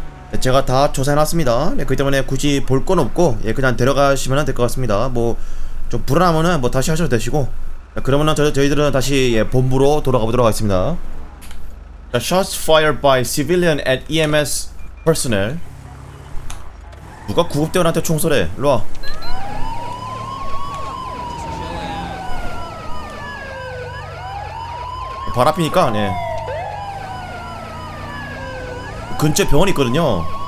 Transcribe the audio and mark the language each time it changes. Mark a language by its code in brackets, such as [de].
[ko] 네, 제가 다 조사해놨습니다. 네, 그 때문에 굳이 볼 건 없고, 예, 그냥 데려가시면 될 것 같습니다. 뭐, 좀 불안하면은 뭐 다시 하셔도 되시고. 자, 그러면은 저희들은 다시, 예, 본부로 돌아가 보도록 하겠습니다. [en] 자, shots fired by civilian at EMS personnel. [ko] 누가 구급대원한테 총 쏘래? 일로 와. 발 앞이니까, 네. 근처에 병원이 있거든요.